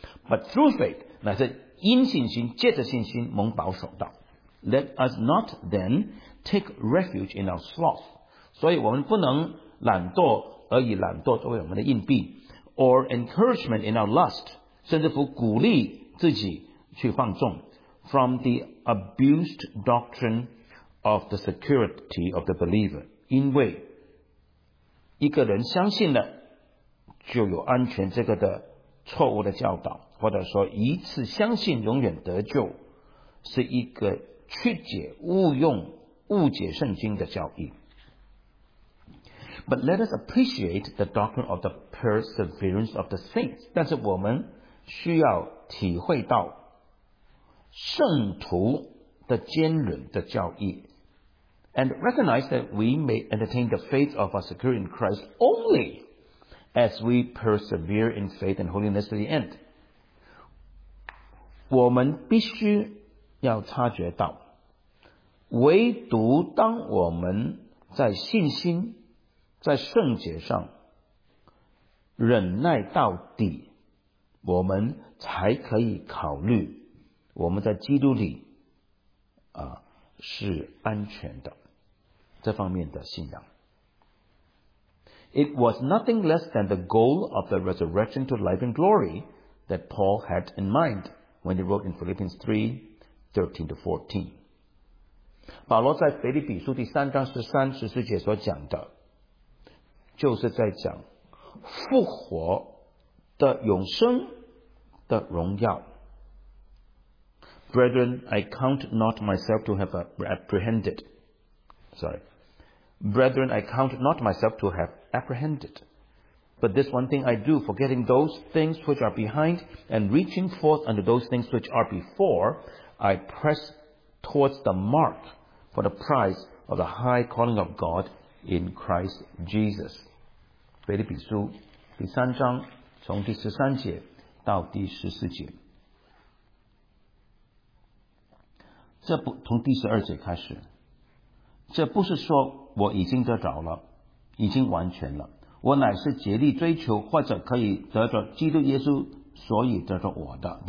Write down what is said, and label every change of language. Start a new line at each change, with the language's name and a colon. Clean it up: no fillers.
English: But through faith,
Chinese: 乃是因信心，借着信心蒙保守到。
English: Let us not then take refuge in our sloth,
Chinese: 所以我们不能懒惰而以懒惰作为我们的硬币，
English: or encouragement in our lust,
Chinese: 甚至乎鼓励自己去放纵。
English: From the abused doctrine of the security of the believer.
Chinese: 因为一个人相信了就有安全这个的错误的教导，或者说一次相信永远得救，是一个曲解误用误解圣经的教义。
English: But let us appreciate the doctrine of the perseverance of the saints.
Chinese: 但是我们需要体会到圣徒的坚忍的教义，
English: and recognize that we may entertain the faith of our security in Christ only as we persevere in faith and holiness to the end.
Chinese: 我们必须要察觉到，唯独当我们在信心在圣洁上忍耐到底，我们才可以考虑我们在基督里啊是安全的这方面的信仰。
English: It was nothing less than the goal of the resurrection to life and glory that Paul had in mind when he wrote in Philippians 3:13-14.
Chinese: 保罗在腓立比书第三章十三十四节所讲的，就是在讲复活的永生的荣耀。
English: Brethren, I count not myself to have apprehended. Sorry. Brethren, I count not myself to have apprehended. But this one thing I do, forgetting those things which are behind and reaching forth unto those things which are before, I press towards the mark for the prize of the high calling of God in Christ Jesus.
Chinese: 腓立比书第三章从第十三节到第十四节。这不从第十二节开始，这不是说我已经得着了，已经完全了，我乃是竭力追求或者可以得着基督耶稣，所以得着我的。